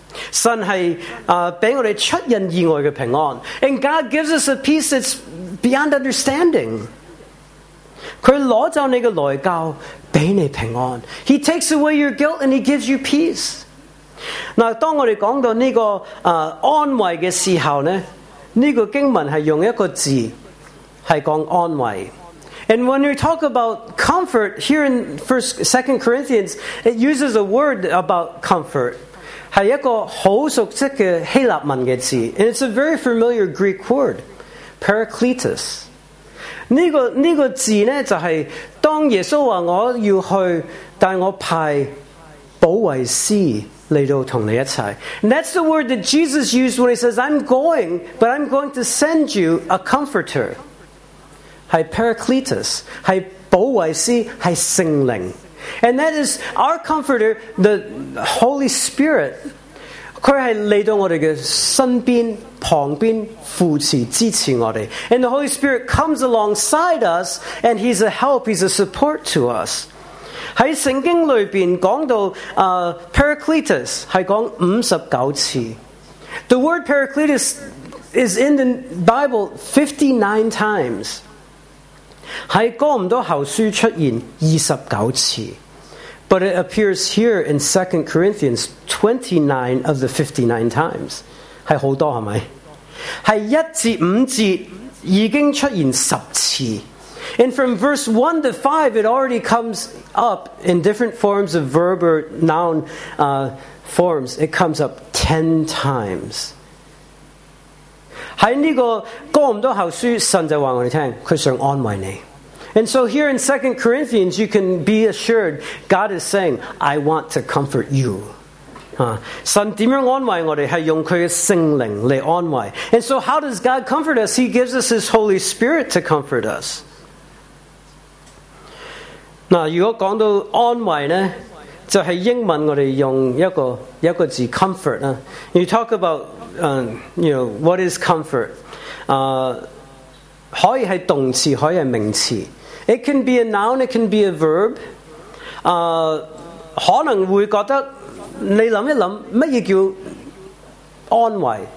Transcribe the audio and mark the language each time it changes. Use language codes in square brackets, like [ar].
[zh] 神是给我们出人意外的平安。 [en] And God gives us a peace that's beyond understanding. [zh] 他拿走你的内疚，给你平安。 [en] He takes away your guilt and he gives you peace. [zh] 那当我们讲到这个安慰的时候呢，这个经文是用一个字，是讲安慰。 [en] And when we talk about comfort, here in 2 Corinthians, it uses a word about comfort. [zh] 是一个很熟悉的希腊文的字。 [en] And it's a very familiar Greek word, parakletos. [zh] 这个字呢，就是当耶稣说我要去带我派保卫师来到同你一起。 [en] And that's the word that Jesus used when he says, I'm going, but I'm going to send you a comforter. [zh] 是 Paracletus, 是保卫师，是圣灵。 [en] And that is our comforter, the Holy Spirit. [zh] 他是来到我们的身边、旁边、扶持、支持我们。 [en] And the Holy Spirit comes alongside us, and he's a help, he's a support to us. [zh] 在圣经里面讲到Paracletus, 是讲59次。 [en] The word Paracletus is in the Bible 59 times. [zh] 在哥林多后书出现29次。 [en] But it appears here in 2 Corinthians 29 of the 59 times. [zh] 是很多，是不是？是一至五节已经出现十次。 [en] And from verse 1 to 5, it already comes up in different forms of verb or noun forms. It comes up 10 times. [zh] 在这个哥林多后书，神就告诉我们，他想安慰你。 [en] And so here in 2 Corinthians, you can be assured, God is saying, I want to comfort you. [zh] 神怎样安慰我们，是用祂的圣灵来安慰。 [en] And so how does God comfort us? He gives us His Holy Spirit to comfort us. [zh] 那如果讲到安慰呢，就是英文我们用一个字 comfort。 [en] You talk about, you know, what is comfort? [zh] 可以是动词，可以是名词。 [en] It can be a noun, it can be a verb. [zh] 可能会觉得你想一想，什么叫安慰？